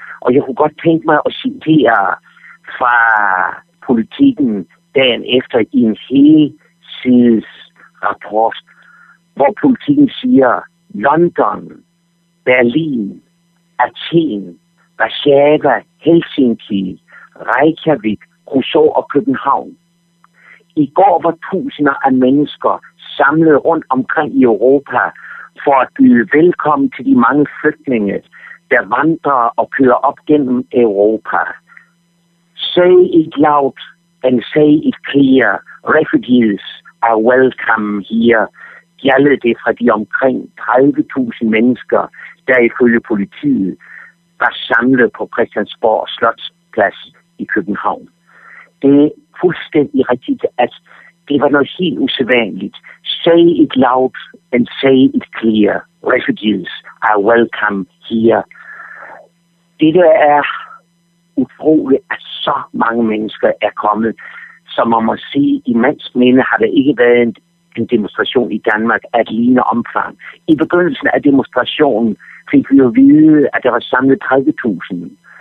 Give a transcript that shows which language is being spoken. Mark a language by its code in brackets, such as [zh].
[da] Og jeg kunne godt tænke mig at citere fra Politiken dagen efter i en helsides rapport, hvor Politiken siger, London, Berlin, Athen, Warszawa, Helsinki, Reykjavik, Rousseau og København. I går var tusinder af mennesker samlet rundt omkring i Europa for at byde velkommen til de mange flygtninge, der vandrer og kører op gennem Europa. [en] Say it loud and say it clear. Refugees are welcome here. [da] Gjaldede det fra de omkring 30.000 mennesker, der ifølge politiet var samlet på Christiansborg Slotsplads i København. Det er fuldstændig rigtigt, at det var noget helt usædvanligt. [en] Say it loud and say it clear. Refugees are welcome here. [da] Det der er utroligt, at så mange mennesker er kommet, som man må sige, i mands minde har der ikke været en demonstration i Danmark af et lignende omfang. I begyndelsen af demonstrationen fik vi at vide, at der var samlet 30.000.